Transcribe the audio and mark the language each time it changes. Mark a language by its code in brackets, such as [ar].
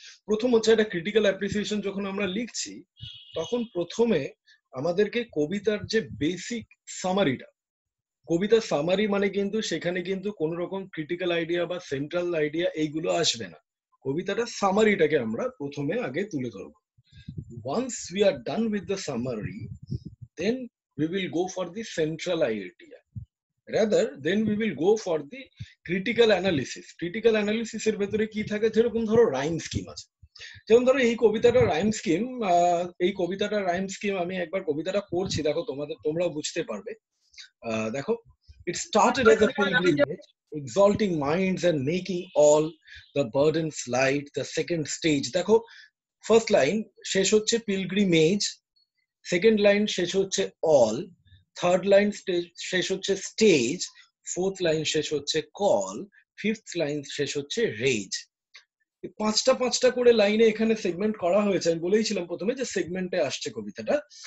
[bn] প্রথম হচ্ছে একটা ক্রিটিক্যাল অ্যাপ্রিসিয়েশন যখন আমরা লিখছি, তখন প্রথমে আমাদেরকে কবিতার যে বেসিক সামারিটা, কবিতার সামারি মানে কিন্তু সেখানে কিন্তু কোন রকম ক্রিটিক্যাল আইডিয়া বা সেন্ট্রাল আইডিয়া এইগুলো আসবে না, কবিতাটার সামারিটাকে আমরা প্রথমে আগে তুলে ধরব। [en] Once we are done with the summary, then we will go for the central idea. Rather, then we will go for the critical analysis. [bn] Critical analysis এর ভেতরে কি থাকে, যেরকম ধরো রাইম স্কিম আছে, যেমন ধরো এই কবিতাটা রাইম স্কিম, এই কবিতাটা রাইম স্কিম আমি একবার কবিতাটা পড়ছি, দেখো তোমাদের তোমরাও বুঝতে পারবে। [en] দেখো, it started as a pilgrimage, exalting minds and making all the burdens light, the second stage. [bn] দেখো ফার্স্ট লাইন শেষ হচ্ছে পিলগ্রিমেজ, সেকেন্ড লাইন শেষ হচ্ছে অল, থার্ড লাইন শেষ হচ্ছে স্টেজ, ফোর্থ লাইন শেষ হচ্ছে কল, ফিফথ লাইন শেষ হচ্ছে রেজ। পাঁচটা পাঁচটা করে লাইনে এখানে সেগমেন্ট করা হয়েছে। আমি বলেইছিলাম প্রথমে যে সেগমেন্টে আসছে কবিতাটা।